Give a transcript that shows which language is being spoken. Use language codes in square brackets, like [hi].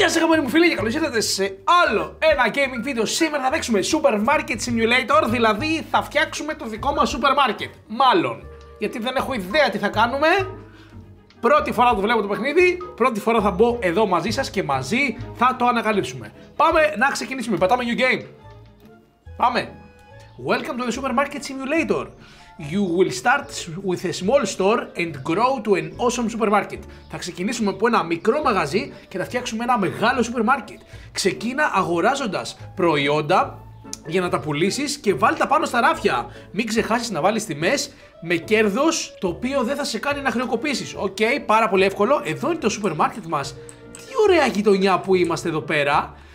[el] σας αγαπημένοι μου φίλοι και καλώς ήρθατε σε άλλο ένα gaming video. Σήμερα θα παίξουμε Supermarket Simulator, δηλαδή θα φτιάξουμε το δικό μας supermarket. Μάλλον, γιατί δεν έχω ιδέα τι θα κάνουμε. Πρώτη φορά το βλέπω το παιχνίδι, πρώτη φορά θα μπω εδώ μαζί σας και μαζί θα το ανακαλύψουμε. Πάμε να ξεκινήσουμε, πατάμε new game. Πάμε. [en] Welcome to the Supermarket Simulator. You will start with a small store and grow to an awesome supermarket. [el] Θα ξεκινήσουμε από ένα μικρό μαγαζί και θα φτιάξουμε ένα μεγάλο supermarket. Ξεκίνα αγοράζοντας προϊόντα για να τα πουλήσεις και βάλ τα πάνω στα ράφια. Μην ξεχάσεις να βάλεις τιμές με κέρδος το οποίο δεν θα σε κάνει να χρεοκοπήσεις. Οκ, πάρα πολύ εύκολο. Εδώ είναι το supermarket μας. Τι ωραία γειτονιά που είμαστε εδώ πέρα.